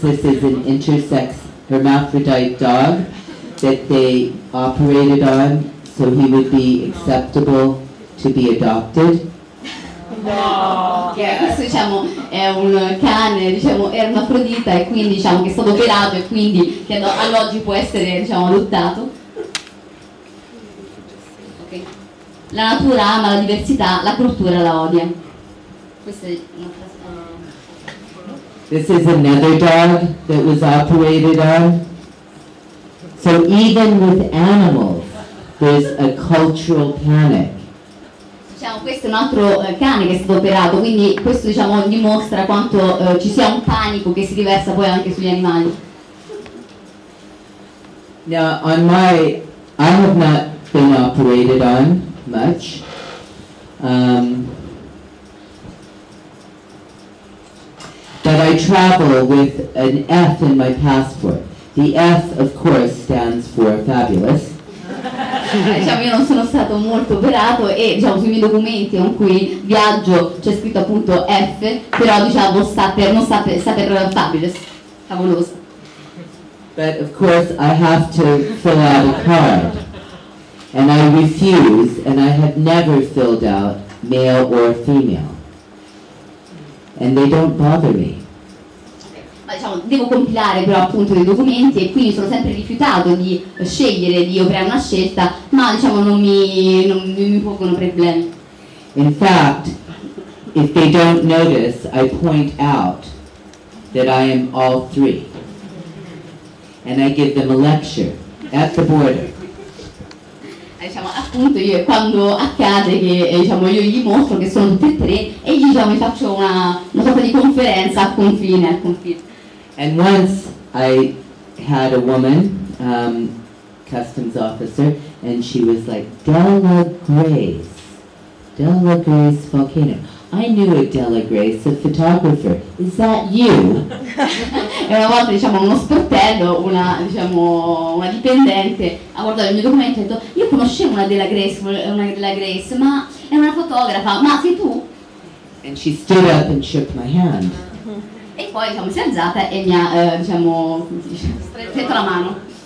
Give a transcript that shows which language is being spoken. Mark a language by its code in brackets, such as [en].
[en] This is an intersex hermaphrodite dog that they operated on so he would be acceptable to be adopted. [it] Questo, diciamo, è un cane, diciamo, ermafrodita, e quindi, diciamo, che è stato operato e quindi che all'oggi può essere, diciamo, adottato. la natura ama la diversità, la cultura la odia. [en] This is another dog that was operated on. So even with animals, there's a cultural panic. [it] Diciamo, questo è un altro cane che è stato operato, quindi questo diciamo dimostra quanto ci sia un panico che si riversa poi anche sugli animali. [en] Now, on my, I have not been operated on much. But I travel with an F in my passport. The F, of course, stands for fabulous. [it] Diciamo, io non sono stato molto operato e diciamo, sui miei documenti con cui viaggio c'è scritto appunto F, però diciamo sta per fabulous, favolosa. [en] But of course I have to fill out a card. And I refuse, and I have never filled out male or female. And they don't bother me. [it] Ma diciamo, devo compilare però appunto dei documenti e quindi sono sempre rifiutato di scegliere, di operare una scelta, ma diciamo non mi pongono problemi. [en] In fact, if they don't notice, I point out that I am all three. And I give them a lecture at the border. [it] Diciamo, appunto io quando accade che diciamo io gli mostro che sono tutti e tre e gli diciamo mi faccio una sorta di conferenza al confine. [en] And once I had a woman, customs officer, and she was like, Della Grace Volcano. I knew a Della Grace, a photographer. Is that you? [it] E una volta, diciamo, uno sportello, una dipendente, ha guardato il mio documento e ha detto, io conoscevo una Della Grace, ma è una fotografa, ma sei tu? [en] And she stood up and shook my hand. [it] E poi diciamo, si è alzata e mi ha diciamo stretto la mano.